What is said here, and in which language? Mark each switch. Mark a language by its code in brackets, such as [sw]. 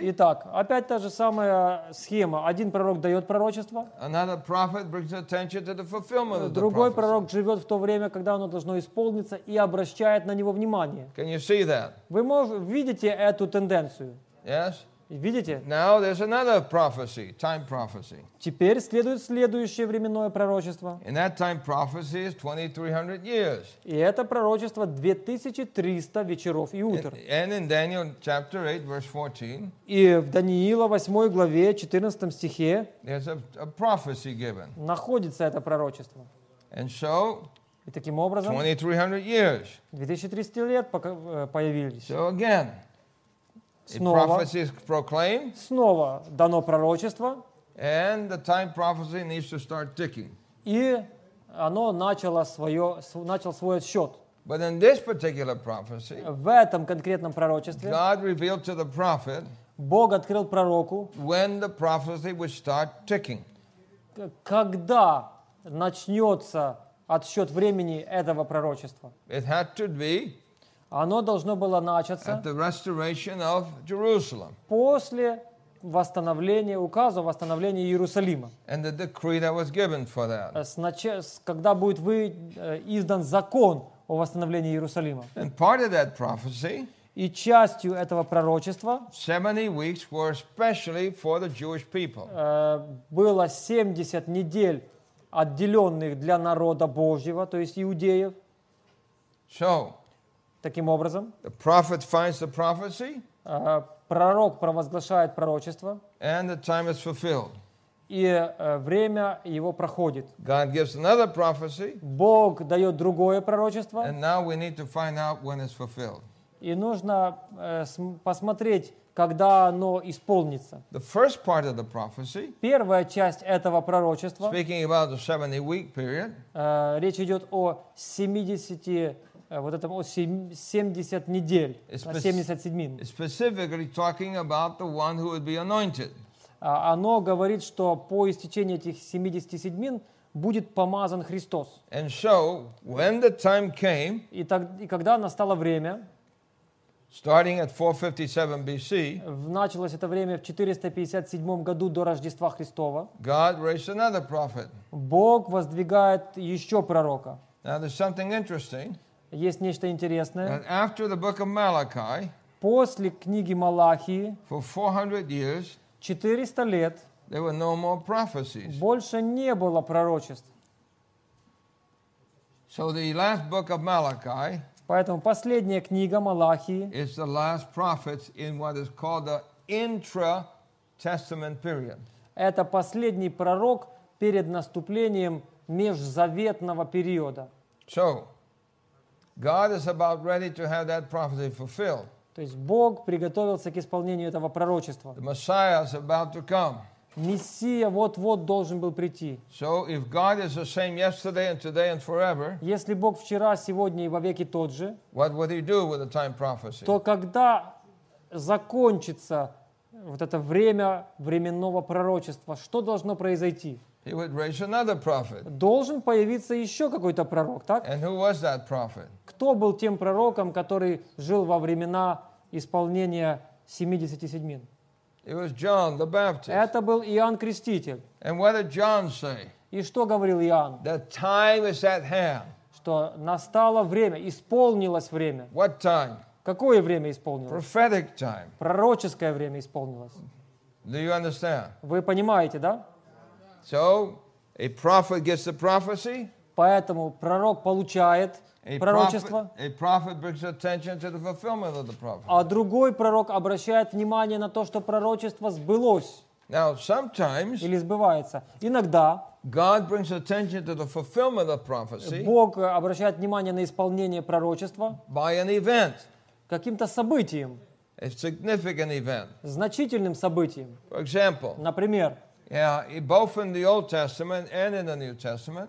[ru] Итак, опять та же самая схема. Один пророк дает пророчество. [en] Another prophet brings attention to the fulfillment of the [ru] Другой пророк живет в то время, когда оно должно исполниться, и обращает на него внимание. [en] Can you see that? [ru] Вы видите эту тенденцию? [en] Yes. [ru] Видите? [en] Now there's another prophecy, time prophecy. [ru] Теперь следует следующее временное пророчество. [en] And that time prophecy is 2300 years. [ru] И это пророчество 2300 вечеров и утр. [en] And in Daniel chapter 8 verse 14. [ru] И в Даниила 8 главе 14 стихе. [en] There's a prophecy given. [ru] Находится это пророчество. [en] And so. [ru] И таким образом. [en] 2300 years. [ru] 2300 лет появились. [en] So again. [ru] Снова, [en] a prophecy is proclaimed, [ru] снова дано пророчество, [en] and the time prophecy needs to start ticking. [ru] И оно начало свой отсчет. [en] But in this particular prophecy, [ru] в этом конкретном пророчестве, [en] God revealed to the prophet, [ru] Бог открыл пророку, [en] when the prophecy would start ticking. [ru] Когда начнется отсчет времени этого пророчества? [en] It had to be. [ru] Оно должно было начаться [en] at the restoration of Jerusalem. [ru] После восстановления, указа о восстановлении Иерусалима. [en] And the decree that was given for that. [ru] Когда будет издан закон о восстановлении Иерусалима. [en] And part of that prophecy, [ru] и частью этого пророчества [en] 70 weeks were especially for the Jewish people. [ru] Было 70 недель, отделенных для народа Божьего, то есть иудеев. [en] So, [ru] таким образом, [en] the prophet finds the prophecy, [ru] пророк провозглашает пророчество, [en] and the time is fulfilled. [ru] И время его проходит. [en] God gives another prophecy, [ru] Бог дает другое пророчество, [en] and now we need to find out when it's fulfilled. [ru] И нужно посмотреть, когда оно исполнится. [en] The first part of the prophecy, [ru] первая часть этого пророчества, [en] speaking about the 70-week period, [ru] речь идет о 70-ти вот это 70 недель, 70 седмин. [en] Specifically talking about the one who would be anointed. [ru] Оно говорит, что по истечении этих 70 седмин будет помазан Христос. [en] And so, when the time came, [ru] и когда настало время, [en] starting at 457 BC, [ru] началось это время в 457 году до Рождества Христова, [en] God raised another prophet. [ru] Бог воздвигает еще пророка. [en] Now there's something interesting. [ru] Есть нечто интересное. [en] And after the book of Malachi, [ru] после книги Малахии, [en] for 400 years, [ru] 400 лет, [en] there were no more prophecies. [ru] Больше не было пророчеств. [en] So the last book of Malachi, [ru] поэтому последняя книга Малахии, [en] is the last prophets in what is called the intra-testament period. [ru] Это последний пророк перед наступлением межзаветного периода. [en] So, God is about ready to have that prophecy fulfilled. [ru] То есть Бог приготовился к исполнению этого пророчества. [en] The Messiah is about to come. [ru] Мессия вот-вот должен был прийти. [en] So if God is the same yesterday and today and forever, [ru] если Бог вчера, сегодня и вовеки тот же, [en] what would he do with the time prophecy? [ru] То когда закончится вот это время временного пророчества, что должно произойти? [en] He would raise another prophet. [ru] Должен появиться еще какой-то пророк, так? [en] And who was that prophet? [ru] Кто был тем пророком, который жил во времена исполнения 70 седмин? [en] It was John the Baptist. [ru] Это был Иоанн Креститель. [en] And what did John say? [ru] И что говорил Иоанн? [en] That time is at hand. [ru] Что настало время, исполнилось время. [en] What time? [ru] Какое время исполнилось? [en] Prophetic time. [ru] Пророческое время исполнилось. [en] Do you understand? [ru] Вы понимаете, да? [en] So, a prophet gets the prophecy. [ru] Поэтому пророк получает пророчество. [en] A prophet brings attention to the fulfillment of the prophecy. [ru] А другой пророк обращает внимание на то, что пророчество сбылось. [en] Now, sometimes, [ru] или сбывается. Иногда [en] God brings attention to the fulfillment of prophecy. [ru] Бог обращает внимание на исполнение пророчества [en] by an event. [ru] Каким-то событием. [en] A significant event. [ru] Значительным событием. [en] For example, [ru] например, [en] yeah, both in the Old Testament and in the New Testament.